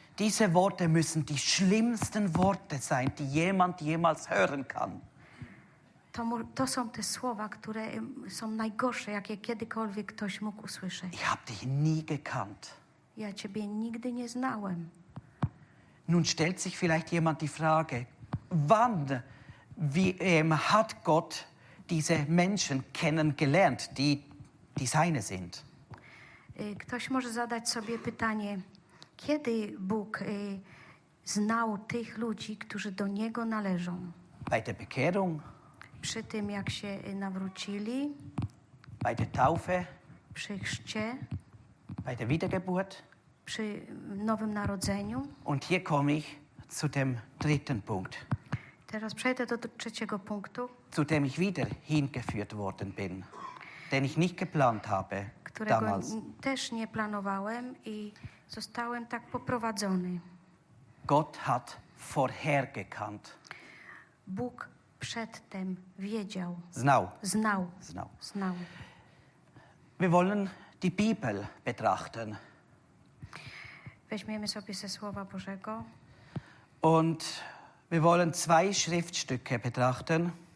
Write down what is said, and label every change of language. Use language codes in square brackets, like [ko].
[de] Diese Worte müssen die schlimmsten Worte sein, die jemand jemals hören kann. [pl] To są te słowa, które są najgorsze, jakie kiedykolwiek ktoś mógł usłyszeć. [de] Ich hab dich nie gekannt. [pl] Ja ciebie nigdy nie znałem. [de] Nun stellt sich vielleicht jemand die Frage, wann hat Gott diese Menschen kennengelernt, die seine sind? [pl] Ktoś może zadać sobie pytanie, kiedy Bóg znał tych ludzi, którzy do Niego należą? [de] Bei der Bekehrung. [pl] Przy tym, jak się nawrócili, [de] bei der Taufe, [pl] przy chrzcie, [de] bei der Wiedergeburt, [pl] przy nowym narodzeniu. [de] Und hier komme ich zu dem dritten Punkt. [pl] Teraz przejdę do trzeciego punktu. [de] Zu dem ich wieder hingeführt worden bin, den ich nicht geplant habe, [pl] którego [de] damals. [pl] Też nie planowałem i zostałem tak poprowadzony. [de] Gott hat vorher gekannt. [pl] Bóg przedtem wiedział. Znał. Znał. Znał. Znał. [de] Wir wollen die Bibel betrachten. [pl] Weźmiemy sobie ze Słowa Bożego. [de] Und wir wollen zwei Schriftstücke betrachten.